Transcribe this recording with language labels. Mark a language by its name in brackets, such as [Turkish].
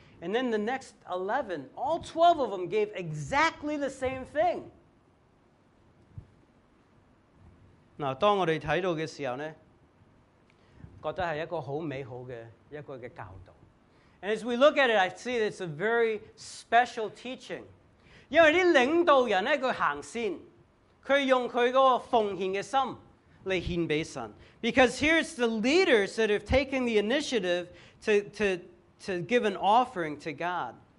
[English] And then the next 11, all 12 of them gave exactly the same thing. [Chinese] Now, 当我们看到的时候呢，觉得是一个好美好的一个教导。 [English] And as we look at it, I see it's a very special teaching. [Chinese] 因为这领导人呢，他行先，他用他的奉献的心来献给神。 [English] Because here's the leaders that have taken the initiative to give an offering to God.